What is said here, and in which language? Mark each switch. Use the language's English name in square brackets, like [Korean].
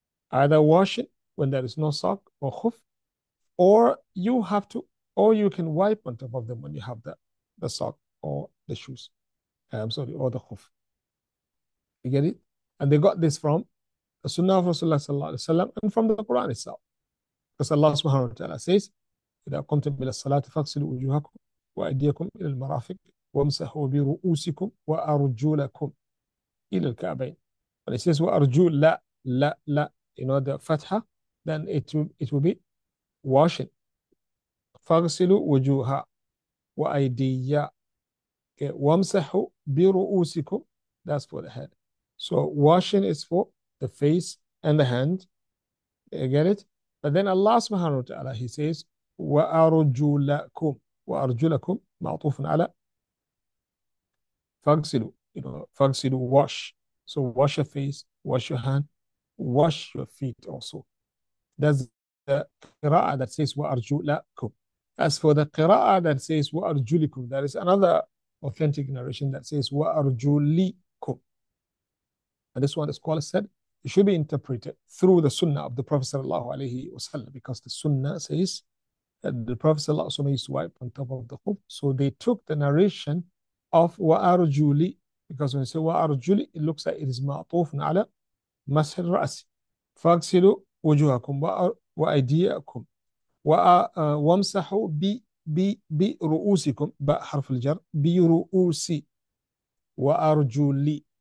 [English] Either wash it when there is no sock or khuf, or you can wipe on top of them when you have the sock or the shoes. I'm sorry, or the khuf. You get it? And they got this from the Sunnah of Rasulullah sallallahu alaihi wasallam and from the Quran itself. Because Allah subhanahu wa ta'ala says, [Arabic] إذا قمتم إلى الصلاة فاغسلوا وجوهكم وأيديكم إلى المرافق وامسحوا برؤوسكم وأرجلكم إلى الكعبين. [English] But it says [Arabic] وأرجل لا لا لا, [English] the فتحة, then it will be washing. [Arabic] فاغسلوا وجوها وأيديا وامسحوا برؤوسكم, [English] that's for the head. So washing is for the face and the hand. You get it? But then Allah subhanahu wa ta'ala, he says, [Arabic] وأرجلكم وأرجلكم معطوف على فاغسلوا, فاغسلوا [English] wash. So wash your face, wash your hand, wash your feet also. That's the qira'ah that says وأرجلكم. As for the qira'ah that says وأرجلكم, there is another authentic narration that says وأرجلكم. And this one, the scholar said, it should be interpreted through the sunnah of the Prophet sallallahu alaihi wasallam, because the sunnah says that the Prophet sallallahu alaihi wasallam used to wipe on top of the khuf. So they took the narration of [Arabic] وأرجلي, [English] because when you say وأرجلي, it looks like it is [Arabic] معطوف على مسح الرأس. فاغسلوا وجوهكم وأيديكم وامسحوا برؤوسكم ب حرف الجر برؤوسي وأرجلي.